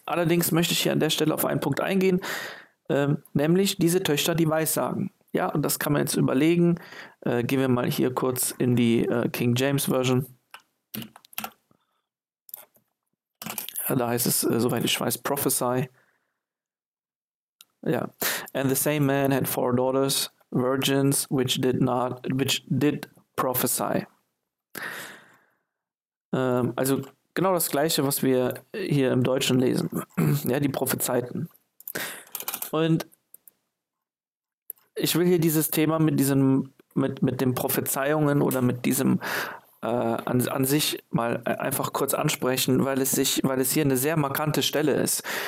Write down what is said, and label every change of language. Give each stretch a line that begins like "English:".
German: Allerdings möchte ich hier an der Stelle auf einen Punkt eingehen, nämlich diese Töchter, die weissagen. Ja, und das kann man jetzt überlegen. Gehen wir mal hier kurz in die King James Version. Da heißt es, soweit ich weiß, prophesy. Ja.
English: And the same man had four daughters, virgins, which did prophesy.
German: Also genau das Gleiche, was wir hier im Deutschen lesen. Ja, die prophezeiten. Und ich will hier dieses Thema mit diesem, mit den Prophezeiungen oder mit diesem an sich mal einfach kurz ansprechen, weil es hier eine sehr markante Stelle ist.